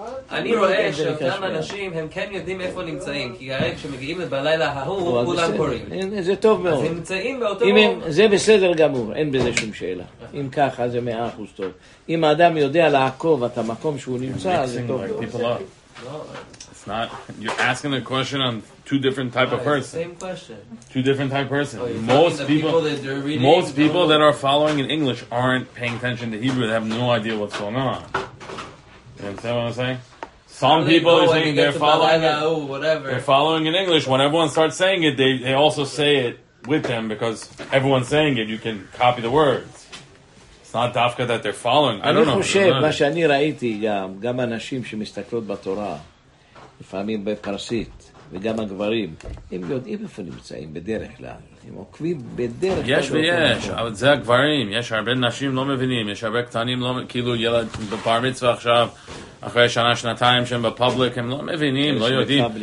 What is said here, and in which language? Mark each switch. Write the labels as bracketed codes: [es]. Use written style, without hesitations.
[he] אני רואה שאותם אנשים, הם כן יודעים איפה נמצאים, כי הרי כשמגיעים בלילה ההוא זה טוב מאוד. זה בסדר גמור, אין בזה שום שאלה. אם ככה זה 100% טוב. אם האדם יודע לעקוב את המקום שהוא נמצא, זה טוב. [en] It's not, you're asking a question on two different type of person. Same question. Two different type of person. Most people that are following in English aren't paying attention to Hebrew. They have no idea what's going on. You understand what I'm saying? Some people are saying they're following in English. When everyone starts saying it, they also say it with them because everyone's saying it. You can copy the words. It's not dafka that they're following. I don't know. [he] אני חושב, מה שאני ראיתי גם, גם אנשים שמסתכלות בתורה, לפעמים בפרסית, וגם הגברים, הם יודעים איפה נמצאים בדרך כלל. הם עוקבים בדרך כלל. יש ויש, אבל זה הגברים. יש הרבה נשים לא מבינים, יש הרבה קטנים, כאילו ילד בפר מצווה עכשיו, אחרי שנה, שנתיים שהם בפובליק, הם לא מבינים, לא יודעים.